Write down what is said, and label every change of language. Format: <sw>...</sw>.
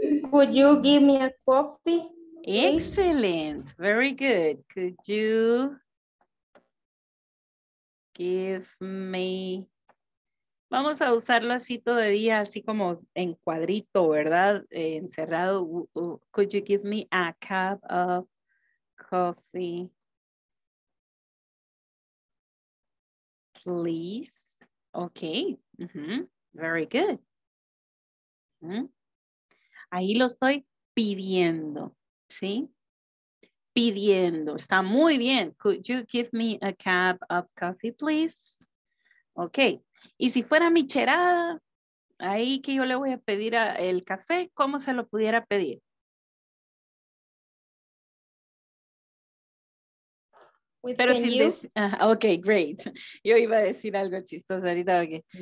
<en>Could you give me a coffee? Please? Excellent. Very good. Could you give me...</en> <es>Vamos a usarlo así todavía, así como en cuadrito, ¿verdad? Encerrado.</es> <en>Could you give me a cup of coffee? Please. Okay. Mm-hmm. Very good. Mm-hmm.</en> <es>Ahí lo estoy pidiendo, ¿sí? Pidiendo, está muy bien.</es> <en>Could you give me a cup of coffee, please?</en> <es>Ok, y si fuera micherada, ahí que yo le voy a pedir a el café, ¿cómo se lo pudiera pedir? Pero sin</es> <en>ok, great.</en> <es>Yo iba a decir algo chistoso ahorita, okay.</es>